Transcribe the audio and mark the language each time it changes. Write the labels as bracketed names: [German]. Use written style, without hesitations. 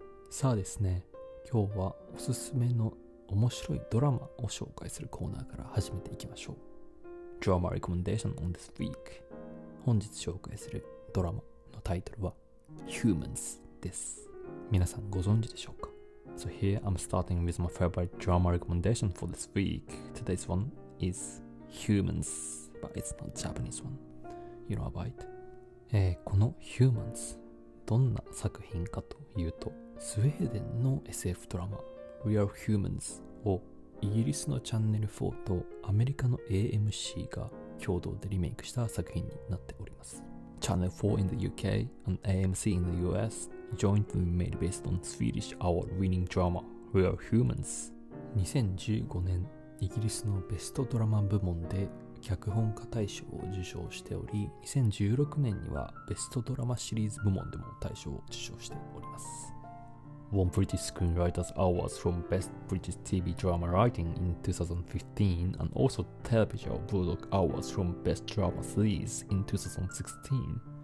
[Japanese] さあですね、 今日はおすすめの面白いドラマを紹介するコーナーから始めていきましょう。 [English] Drama Recommendation on this week。 [Japanese] 本日紹介するドラマのタイトルは Humans です。皆さんご存知でしょうか？ [English] So here I'm starting with my favorite drama recommendation for this week. Today's one is Humans, but it's not Japanese one. You know about it? [Japanese] この Humans どんな作品かというと、スウェーデンの SF ドラマ Real Humans をイギリスのチャンネル4とアメリカの AMC が共同でリメイクした作品になっております。 [English] Channel 4 in the UK and AMC in the USjointly made based on Swedish award-winning drama Real Humans。 [Japanese] 2015年イギリスのベストドラマ部門で脚本家大賞を受賞しており、2016年にはベストドラマシリーズ部門でも大賞を受賞しております。 [English] Won British Screenwriters Awards from Best British TV Drama Writing in 2015 and also Television Bulldog Awards from Best Drama Series in 2016。